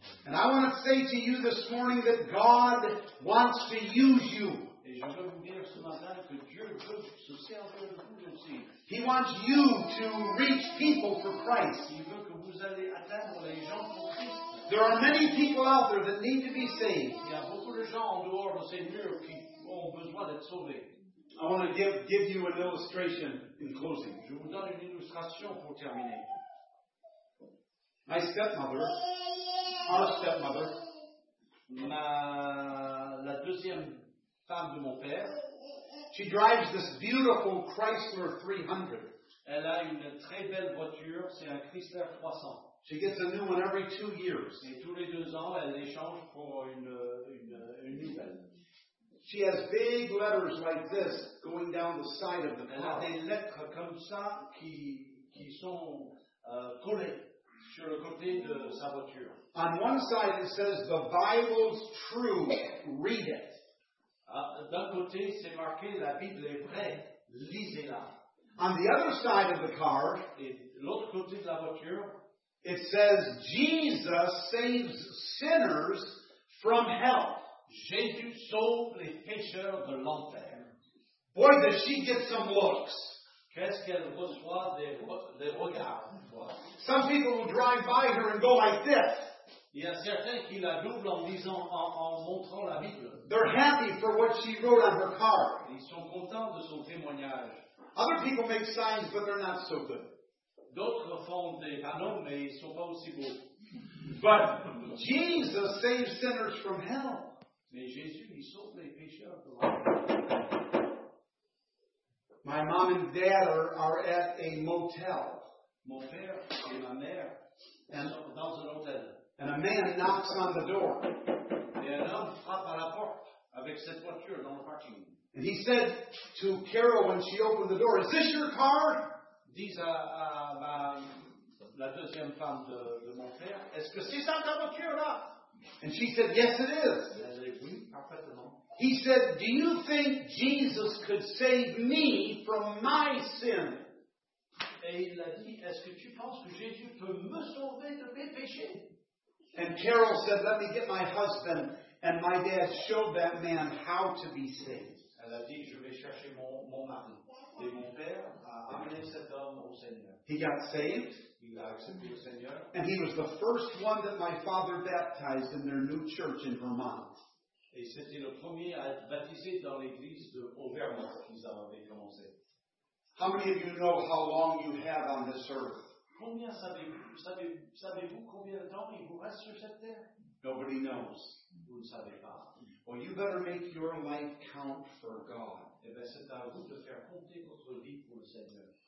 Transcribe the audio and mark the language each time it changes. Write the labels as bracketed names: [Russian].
[English] And I want to say to you this morning that God wants to use you. [French] Et je veux vous dire ce matin que Dieu veut se servir de vous aussi. [English] He wants you to reach people for Christ. [French] Il veut que vous allez atteindre les gens pour Christ. [English] There are many people out there that need to be saved. [French] Il y a beaucoup de gens en dehors de ces murs qui ont besoin d'être sauvés. [English] I want to give you an illustration in closing. [French] Je vous donne une illustration pour terminer. [English] My stepmother, our stepmother, [French] la deuxième femme de mon père, [English] She drives this beautiful Chrysler 300. [French] Elle a une très belle voiture, c'est un Chrysler 300. [English] She gets a new one every 2 years. [French] Et tous les deux ans, elle échange pour une nouvelle. [English] She has big letters like this going down the side of the car. [French] Elle a des lettres comme ça qui sont collées sur le côté de sa voiture. [English] On one side it says, "The Bible's true, read it." [French] D'un côté, c'est marqué, la Bible est vraie, lisez-la. [English] On the other side of the car, [French] et l'autre côté de la voiture, [English] it says, "Jesus saves sinners from hell." [French] Jésus sauve les pécheurs de l'enfer. [English] Boy, does she get some looks. [French] Qu'est-ce qu'elle reçoit des regards. Boy. [English] Some people will drive by her and go like this. [French] Il y a certains qui la doublent en disant, en montrant la Bible. [English] They're happy for what she wrote on her car. [French] Ils sont contents de son témoignage. [English] Other people make signs, but they're not so good. [French] D'autres font des panneaux, mais ils ne sont pas aussi beaux. [English] But Jesus saves sinners from hell. [French] Mais Jésus, il sauve les pécheurs de l'enfer. [English] My mom and dad are at a motel. [French] Mon père et ma mère sont dans un hôtel. [English] And a man knocks on the door. [French] Et un homme frappe à la porte avec cette voiture dans le parking. [English] And he said to Carol when she opened the door, "Is this your car?" [French] Dit à la deuxième femme de mon père, "Est-ce que c'est ça ta voiture là?" [English] And she said, "Yes, it is." [French] Elle dit, "Oui, parfaitement." [English] He said, "Do you think Jesus could save me from my sin?" [French] Et il a dit, "Est-ce que tu penses que Jésus peut me sauver de mes péchés?" [English] And Carol said, "Let me get my husband and my dad showed that man how to be saved." [French] Elle a dit, "Je vais chercher mon mari." Et mon père a amené cet homme au Seigneur. [English] He got saved. [French] Il a accepté le Seigneur. [English] And he was the first one that my father baptized in their new church in Vermont. [French] Et c'était le premier à être baptisé dans l'église de Auvergne qu'ils avaient commencé. [English] How many of you know how long you have on this earth? [French] Combien savez-vous combien de temps il vous reste sur cette terre? [English] Nobody knows. [French] Vous ne savez pas. [English] Well, you better make your life count for God. [French] Eh bien, c'est à vous de faire compter votre vie pour le Seigneur.